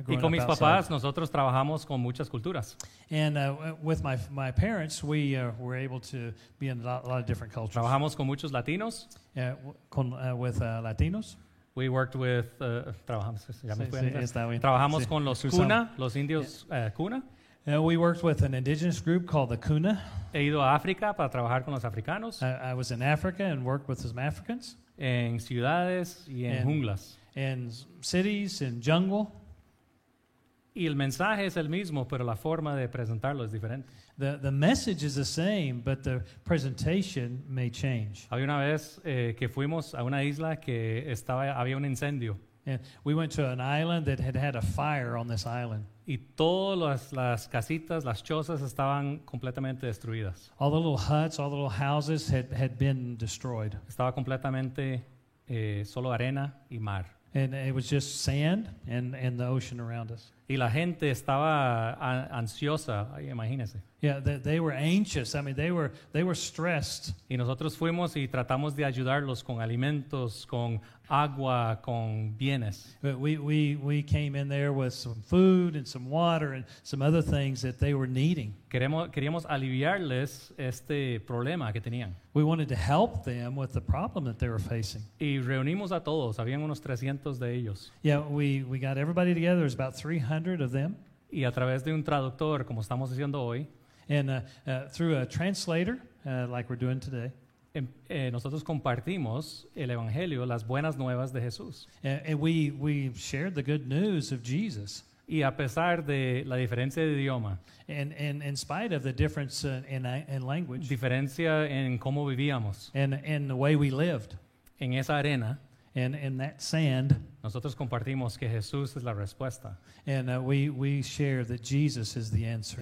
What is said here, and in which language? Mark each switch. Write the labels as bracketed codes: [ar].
[es] Y con mis papás, nosotros trabajamos con muchas culturas. [en] And with my parents, we were able to be in a lot of different cultures. [es] Trabajamos con muchos latinos. [en] Latinos. We worked with [es] trabajamos con los Kuna, los indios Kuna. [en] We worked with an indigenous group called the Kuna. [es] He ido a África para trabajar con los africanos. [en] I was in Africa and worked with some Africans. [es] En ciudades y en junglas. [en] In cities and jungle. [es] Y el mensaje es el mismo, pero la forma de presentarlo es diferente. [en] The message is the same, but the presentation may change. [es] Había una vez que fuimos a una isla que había un incendio. [en] And we went to an island that had a fire on this island. [es] Y todas las casitas, las chozas estaban completamente destruidas. [en] All the little huts, all the little houses had been destroyed. [es] Estaba completamente solo arena y mar. [en] And it was just sand and the ocean around us. [es] Y la gente estaba ansiosa, imagínese. [en] Yeah, they were anxious. I mean, they were stressed. [es] Y nosotros fuimos y tratamos de ayudarlos con alimentos, con agua, con bienes. [en] But we came in there with some food and some water and some other things that they were needing. [es] Queríamos aliviarles este problema que tenían. [en] We wanted to help them with the problem that they were facing. [es] Y reunimos a todos. Habían unos 300 de ellos. [en] Yeah, we got everybody together. There's about 300 of them. [es] Y a través de un traductor, como estamos haciendo hoy. [en] And through a translator, like we're doing today. [es] Nosotros compartimos el evangelio, las buenas nuevas de Jesús. [en] And we shared the good news of Jesus. [es] Y a pesar de la diferencia de idioma, [en] and in spite of the difference in language, [es] diferencia en cómo vivíamos, [en] and the way we lived, [es] en esa arena, [en] and in that sand, [es] nosotros compartimos que Jesús es la respuesta. [en] And we share that Jesus is the answer.